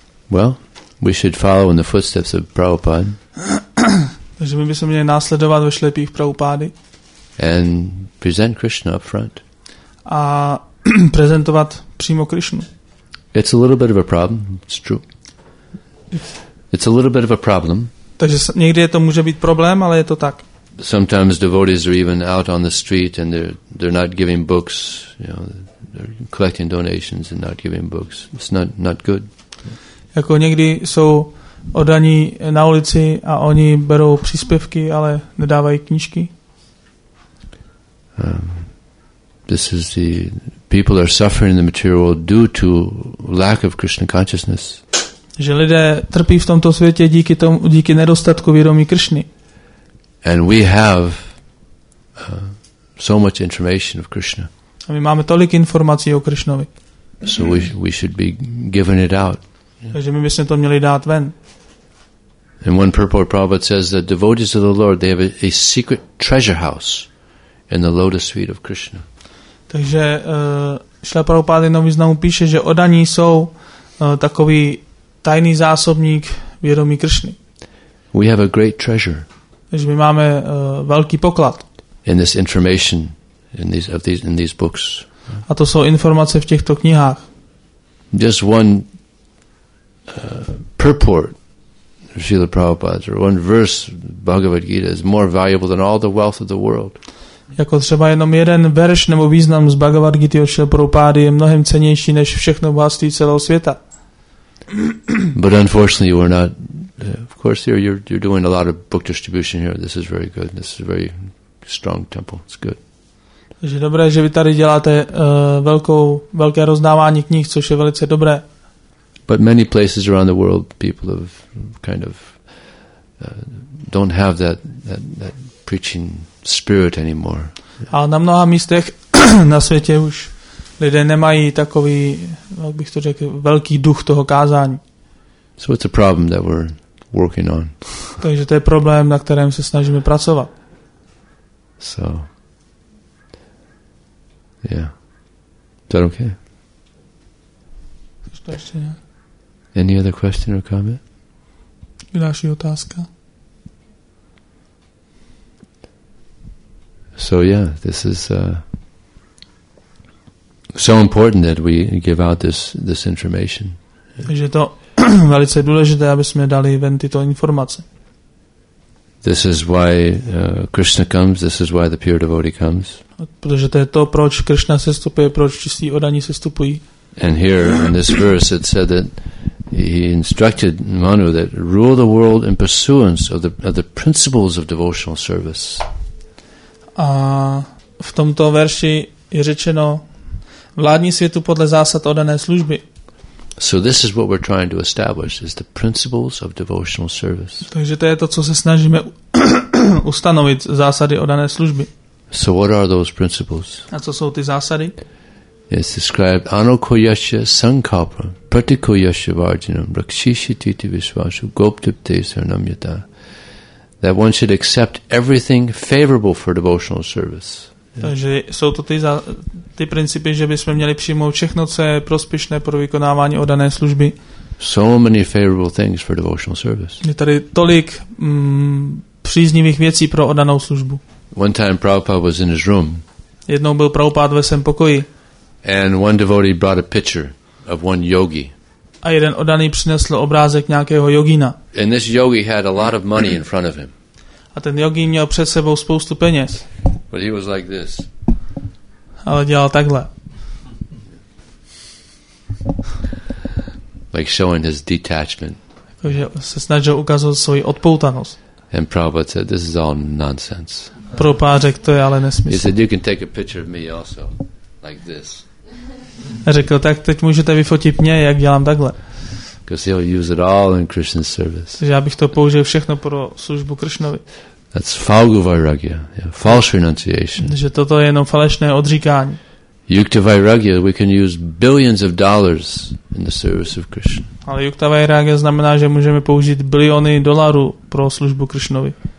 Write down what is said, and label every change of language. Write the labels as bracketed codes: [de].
[en] Well, we should follow in the footsteps of Prabhupada. [cs] Že my bychom měli následovat ve šlepích Prabhupády. [en] And present Krishna up front. [cs] A prezentovat přímo Krishnu. [en] It's a little bit of a problem. It's true. It's a little bit of a problem. [cs] Takže někdy je to může být problém, ale je to tak. [en] Sometimes devotees are even out on the street and they're not giving books, you know, they're collecting donations and not giving books. It's not good. [cs] Jako někdy jsou oddaní na ulici a oni berou příspěvky, ale nedávají knížky. [en] This is the people are suffering in the material due to lack of Krishna consciousness. [cs] Že lidé trpí v tomto světě díky tomu, díky nedostatku vědomí Krišny. [en] And we have so much information of Krishna. [cs] A my máme tolik informací o Krišnovi. [en] So we should be giving it out. [cs] Takže my bychom to měli dát ven. [en] And one purport Prabhupada says that devotees of the Lord, they have a secret treasure house in the lotus feet of Krishna. [cs] Takže Šrila Prabhupáda jenom významu píše, že oddaní jsou takový tajný zásobník vědomí Krišny. [en] We have a great treasure. [cs] Takže my máme velký poklad. [en] In this information, in these books. [cs] A to jsou informace v těchto knihách. [en] Just one purport of Srila Prabhupada, or one verse Bhagavad Gita is more valuable than all the wealth of the world. [cs] Jako třeba jenom jeden verš nebo význam z Bhagavad Gita od Srila Prabhupády je mnohem cennější než všechno bohatství celého světa. [en] But unfortunately we're not of course here you're doing a lot of book distribution here. This is very good. This is a very strong temple. It's good. [cs] Takže dobré, že vy tady děláte velké rozdávání knih, což je velice dobré. [en] But many places around the world people have kind of don't have that preaching spirit anymore. [cs] A na mnoha místech na světě už lidé nemají takový, jak bych to řekl, velký duch toho kázání. [en] So it's a problem that we're working on. [cs] Takže to je problém, na kterém se snažíme pracovat. [en] So. Yeah. Is that okay? [cs] Chceš to ještě nějak? [en] Any other question or comment? [cs] Další otázka. [en] So yeah, this is so important that we give out this information. [cs] Takže to velice důležité, aby jsme dali ven tyto informace. [en] This is why Krishna comes, this is why the pure devotee comes. [cs] Protože to je to, proč Krishna sestupuje, proč čistí oddaní sestupují. [en] And here in this verse it said that he instructed Manu that rule the world in pursuance of the principles of devotional service. [cs] A v tomto verši je řečeno vládní světu podle zásad oddané služby. [en] So this is what we're trying to establish, is the principles of devotional service. [cs] Takže to je to, co se snažíme ustanovit, zásady oddané služby. [en] So what are those principles? [cs] A co jsou ty zásady? [sa] It's described anokoyasya sankalpa pratikoyasya vajjanam rakshishititi visvasu goptipte sarnamyata. [en] That one should accept everything favorable for devotional service. [cs] Takže jsou to ty principy, že bychom měli přijmout všechno, co je prospěšné pro vykonávání oddané služby. [en] So many favorable things for devotional service. [cs] Je tady tolik příznivých věcí pro oddanou službu. [en] One time Prabhupada was in his room. [cs] Jednou byl Prabhupada ve svém pokoji. [en] And one devotee brought a picture of one yogi. [cs] A jeden oddaný přinesl obrázek nějakého jogína. [en] And this yogi had a lot of money in front of him. [cs] A ten yogi měl před sebou spoustu peněz. [en] But he was like this. [cs] Ale dělal takhle. [en] Like showing his detachment. [cs] Takže se snažil ukázat svoji odpoutanost. [en] And Prabhupada said, "This is all nonsense." [cs] Prabhupada řekl, to je ale nesmysl. [en] He said, "You can take a picture of me also, like this." [cs] Řekl, tak teď můžete vyfotit mě, jak dělám takhle. [en] Because he'll use it all in Krishna's service. [cs] Takže já bych to použil všechno pro službu Krishnovi. [en] That's falgu vairagya, false renunciation. [cs] Že toto je jenom falešné odříkání. [en] Yukta vairagya, we can use billions of dollars in the service of Krishna. [cs] Ale yukta vairagya znamená, že můžeme použít biliony dolarů pro službu Krishnovi.